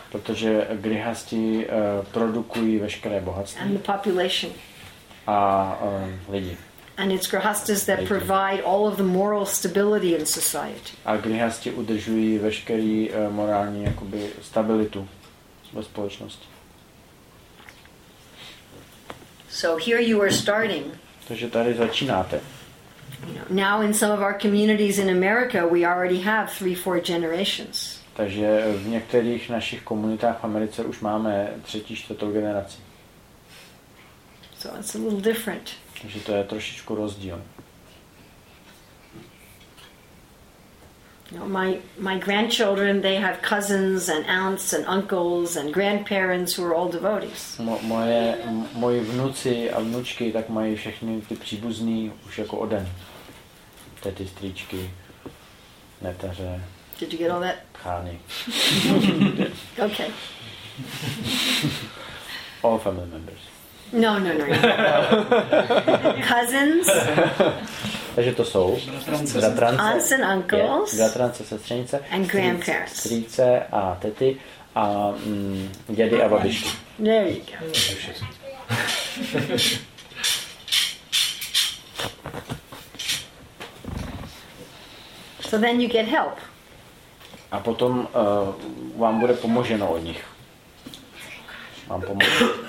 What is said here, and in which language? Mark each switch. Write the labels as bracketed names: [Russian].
[Czech] Protože grihasti produkují veškeré bohatství. [English] And the population. [Czech] A lidi. [English] And it's grihastas that provide all of the moral stability in society. [Czech] A grihasti udržují veškerý morální jakoby stabilitu ve společnosti. [English] So here you are starting. [Czech] Takže tady začínáte. [English] Now in some of our communities in America we already have 3-4 generations. [Czech] Takže v některých našich komunitách v Americe už máme 3-4 generaci. [English] So it's a little different. [Czech] Takže to je trošičku rozdíl. [English] No, my grandchildren, they have cousins and aunts and uncles and grandparents who are all devotees. [Czech] Moji vnuci a vnučky tak mají všechny ty příbuzní už jako oden. Tety, strýčky, neteře. [English] Did you get all that? Chány. Okay. All family members. [Czech] No. [English] Cousins. [Czech] Takže to jsou bratrance. [English] Aunts and uncles. [Czech] Bratrance, sestřenice. [English] And grandparents. [Czech] Strýce a tety a dědy a babičky. [English] There you go. So then you get help. [Czech] A potom vám bude pomoženo od nich. Vám pomoží.